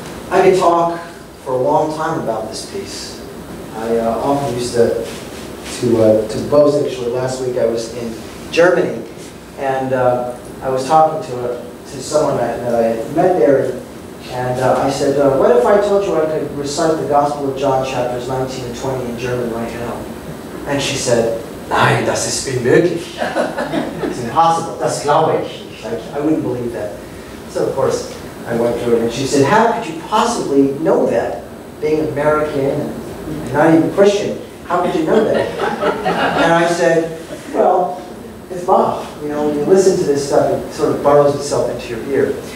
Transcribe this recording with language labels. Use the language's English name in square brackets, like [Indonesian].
[English] I could talk for a long time about this piece. I often used to boast, actually, last week I was in Germany, and I was talking to someone that I had met there, and I said, what if I told you I could recite the Gospel of John chapters 19 and 20 in German right now? And she said, [German] nein, das ist unmöglich. [English] It's impossible, [German] das glaube ich. [English] I wouldn't believe that. So, of course, I went through it, and she said, how could you possibly know that, being American and not even Christian, how could you know that? And I said, well, it's Bach. You know, when you listen to this stuff, it sort of burrows itself into your ear.